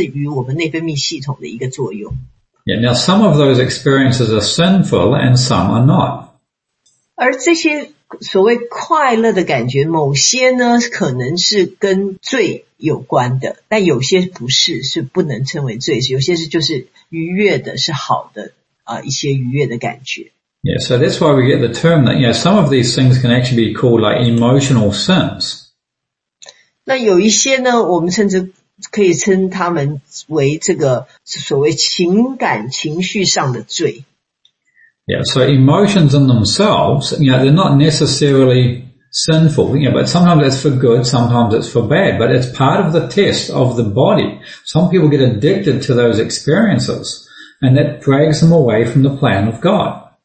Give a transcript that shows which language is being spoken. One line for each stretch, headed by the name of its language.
Chinese: 就是我们平常也知道，就是我们看球赛啦，或者是打电玩啦，或者是有一些人他这个看这些色情的东西上瘾啊，或者是我们跟朋友的聚会，都会可能会让我们的情绪非常的高涨，或者是很开心啊，等等的，这些都是来自于我们内分泌系统的一个作用。
English: Yeah, now some of those experiences are sinful and some are not.
Chinese: 而这些所谓快乐的感觉，某些呢可能是跟罪有关的，但有些不是，是不能称为罪，有些是就是愉悦的，是好的，一些愉悦的感觉。Yeah,
English: so that's why we get the term that, some of these things can actually be called like emotional sins.
Chinese: 那有一些呢，我们甚至可以称他们为这个所谓情感情绪上的罪。
English: Yeah, so emotions in themselves, they're not necessarily sinful, but sometimes it's for good, sometimes it's for bad, but it's part of the test of the body. Some people get addicted to those experiences, and that drags them away from the plan of God.